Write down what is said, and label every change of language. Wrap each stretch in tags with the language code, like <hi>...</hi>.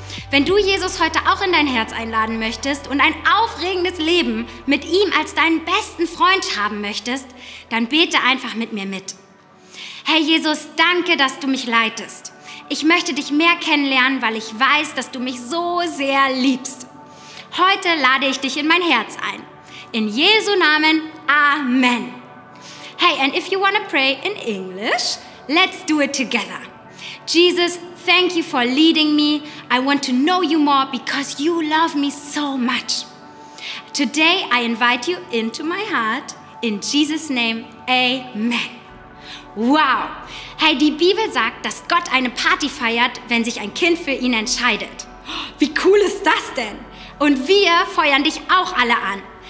<de>Wenn du Jesus heute auch in dein Herz einladen möchtest und ein aufregendes Leben mit ihm als deinen besten Freund haben möchtest, dann bete einfach mit mir mit. Herr Jesus, danke, dass du mich leitest. Ich möchte dich mehr kennenlernen, weil ich weiß, dass du mich so sehr liebst. Heute lade ich dich in mein Herz ein. In Jesu Namen, Amen.</de> <en>Hey, and if you want to pray in English, let's do it together. Jesus, thank you for leading me. I want to know you more because you love me so much. Today, I invite you into my heart. In Jesus' name, Amen. Wow!</en> <de>Hey, die Bibel sagt, dass Gott eine Party feiert, wenn sich ein Kind für ihn entscheidet. Wie cool ist das denn? Und wir feuern dich auch alle an.</de>